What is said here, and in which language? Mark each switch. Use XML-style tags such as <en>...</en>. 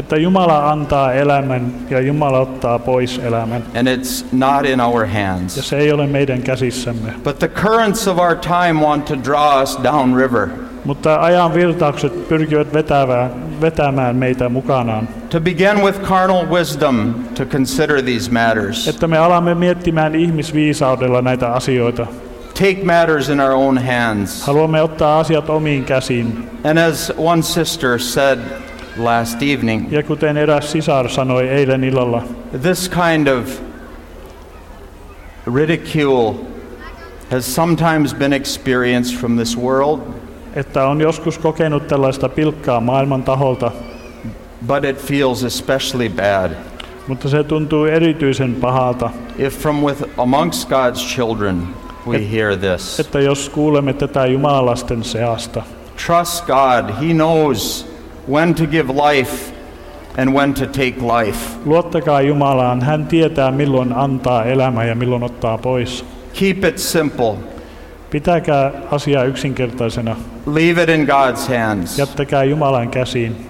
<fi>Että Jumala antaa elämän ja Jumala ottaa pois elämän.</fi> <en>And it's not in our hands.</en> <fi>Ja se ei ole meidän käsissämme.</fi> <en>But the currents of our time want to draw us down river.</en> <fi>Mutta ajan virtaukset pyrkivät vetämään meitä mukanaan.</fi> <en>To begin with carnal wisdom to consider these matters.</en> <fi>Että me alamme miettimään ihmisviisaudella näitä asioita.</fi> <en>Take matters in our own hands.</en> <fi>Haluamme ottaa asiat omiin käsiin.</fi> <en>And as one sister said last evening.</en> <fi>Ja kuten eräs sisar sanoi eilen illalla.</fi> <en>This kind of ridicule has sometimes been experienced from this world.</en> <fi>Että on joskus kokenut tällaista pilkkaa maailman taholta.</fi> <en>But it feels especially bad.</en> <fi>Mutta se tuntuu erityisen pahalta.</fi> <en>If from with amongst God's children. We hear this.</en> <fi>Että jos kuulemme tätä Jumalan lasten seasta.</fi> <en>Trust God, he knows when to give life and when to take life.</en> <fi>Luottakaa Jumalaan, hän tietää milloin antaa elämä ja milloin ottaa pois.</fi> <en>Keep it simple.</en> <fi>Pitäkää asia yksinkertaisena.</fi> <en>Leave it in God's hands.</en> <fi>Jättäkää Jumalan käsiin.</fi>